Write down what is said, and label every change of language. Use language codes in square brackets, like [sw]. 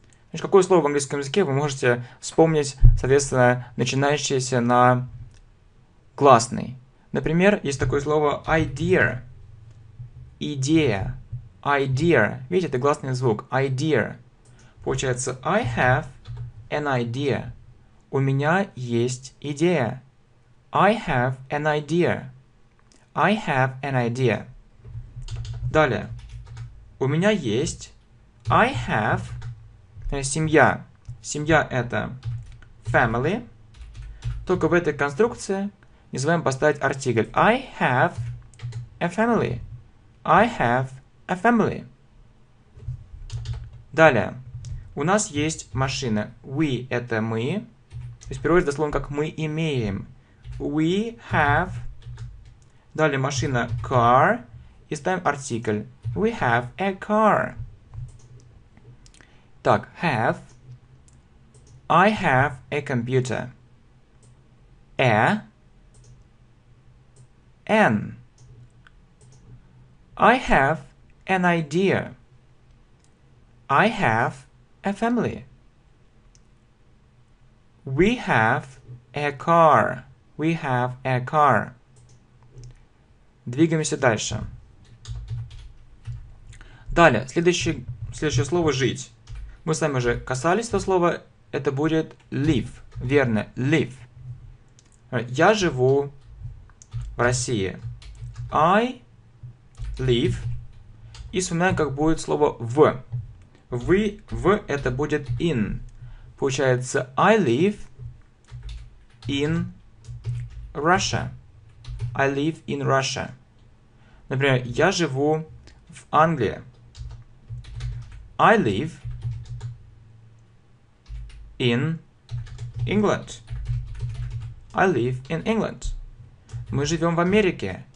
[ru] Значит, какое слово в английском языке вы можете вспомнить, соответственно, начинающееся на гласный? Например, есть такое слово idea. Идея. Idea. Видите, это гласный звук. Idea. [en] Получается, I have an idea. [ru] У меня есть идея. [en] I have an idea. I have an idea. [ru] Далее. У меня есть... [en] I have... Семья. [ru] Семья – это [en] family. [ru] Только в этой конструкции не забываем поставить артикль. [en] I have a family. I have a family. [ru] Далее. У нас есть машина. We – это мы. То есть переводится дословно как «мы имеем». [en] We have. [ru] Далее машина – car. И ставим артикль. [en] We have a car. Так, have, I have a computer, a, an, I have an idea, I have a family, we have a car, we have a car. [ru] Двигаемся дальше. Далее, следующее слово «жить». Мы с вами уже касались этого слова, это будет live, верно, live. Я живу в России. [en] I live. [ru] И вспоминаем, как будет слово в. Вы, в, это будет in. Получается, [en] I live in Russia. I live in Russia. [ru] Например, я живу в Англии. [en] I live in England. I live in England. [ru] Мы живем в Америке.